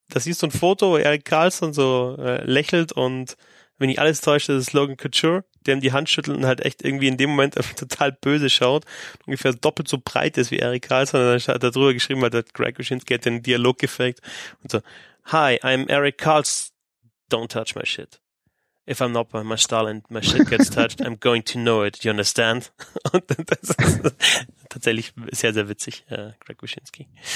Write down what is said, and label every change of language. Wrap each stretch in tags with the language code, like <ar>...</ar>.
<de>da siehst du ein Foto, wo Erik Karlsson so lächelt und wenn ich alles täusche, ist es Logan Couture, der ihm die Hand schüttelt und halt echt irgendwie in dem Moment total böse schaut, ungefähr doppelt so breit ist wie Erik Karlsson. Und dann hat er drüber geschrieben, weil der Greg Wyshynski hat den Dialog gefaked und so,</de> <en>hi, I'm Erik Karlsson, don't touch my shit. If I'm not by my style and my shit gets touched, I'm going to know it. You understand?</en> <de>Und das ist tatsächlich sehr, sehr witzig, Greg Wyshynski.</de>